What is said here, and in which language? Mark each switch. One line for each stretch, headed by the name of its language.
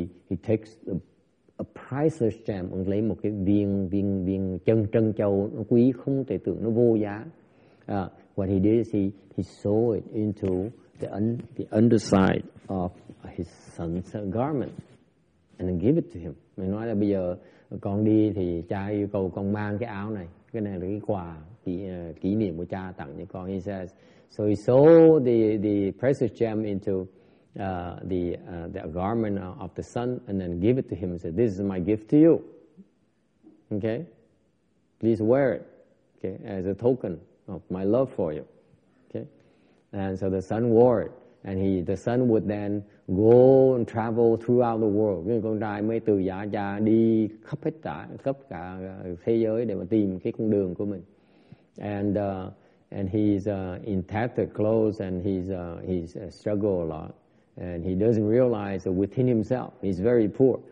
English: He takes a priceless gem,
Vietnamese: ông lấy một cái viên trân châu nó quý không thể tưởng, nó vô giá.
English: What he did is he sew it into the underside of his son's garment and then give it to him.
Vietnamese: Mình nói là bây giờ con đi thì cha yêu cầu con mang cái áo này. Cái này là cái quà kỷ niệm của cha tặng cho con.
English: He says, so he sewed the precious gem into the garment of the son and then give it to him and said, this is my gift to you. Okay? Please wear it, okay, as a token of my love for you. Okay? And so the son wore it. And the son would then go and travel throughout the world.
Vietnamese: Con trai mới từ giả cha đi khắp hết cả, khắp cả thế giới để mà tìm cái con đường của mình.
English: And he's in tattered clothes and he's struggle a lot. And he doesn't realize that within himself, he's very poor.